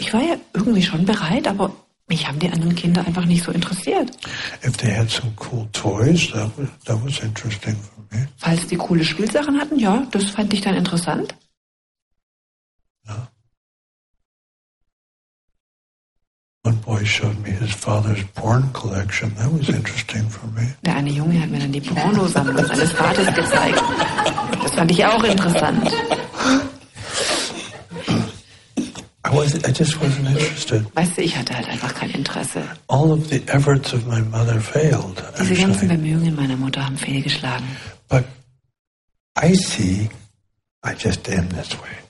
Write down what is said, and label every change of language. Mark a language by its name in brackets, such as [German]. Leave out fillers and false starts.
[German] Ich war ja irgendwie schon bereit, aber mich haben die anderen Kinder einfach nicht so interessiert. [English] If they had some cool toys, that was interesting for me. [German] Falls die coole Spielsachen hatten, ja, das fand ich dann interessant. [English] One boy showed me his father's porn collection. That was interesting for me. [German] Der eine Junge hat mir dann die Pornosammlung seines Vaters gezeigt. Das fand ich auch interessant. [English] I just wasn't interested. [German] Weißt du, ich hatte halt einfach kein Interesse. [English] All of the efforts of my mother failed. [German] Diese ganzen Bemühungen meiner Mutter haben fehlgeschlagen. [English] But I see, I just am this way.